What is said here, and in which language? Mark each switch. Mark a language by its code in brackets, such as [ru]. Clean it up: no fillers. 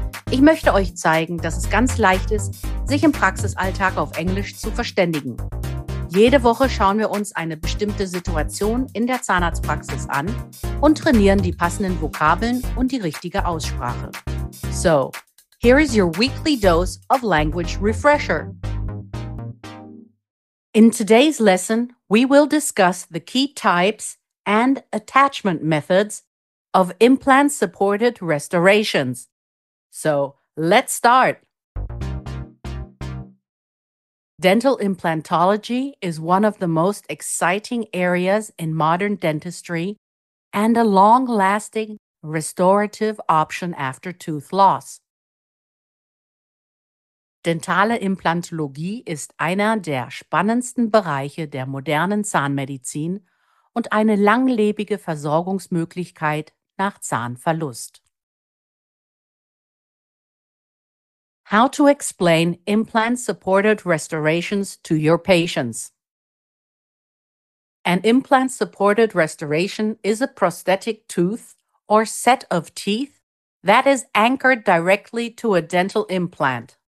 [de] Ich möchte euch zeigen, dass es ganz leicht ist, sich im Praxisalltag auf Englisch zu verständigen. Jede Woche schauen wir uns eine bestimmte Situation in der Zahnarztpraxis an und trainieren die passenden Vokabeln und die richtige Aussprache. [en] So, here is your weekly dose of language refresher. In today's lesson, we will discuss the key types and attachment methods of implant-supported restorations. So, let's start! Dental implantology is one of the most exciting areas in modern dentistry and a long-lasting restorative option after tooth loss. [de] Dentale Implantologie ist einer der spannendsten Bereiche der modernen Zahnmedizin und eine langlebige Versorgungsmöglichkeit nach Zahnverlust. [en] How to explain implant-supported restorations to your patients? An implant-supported restoration is a prosthetic tooth or set of teeth that is anchored directly to a dental implant.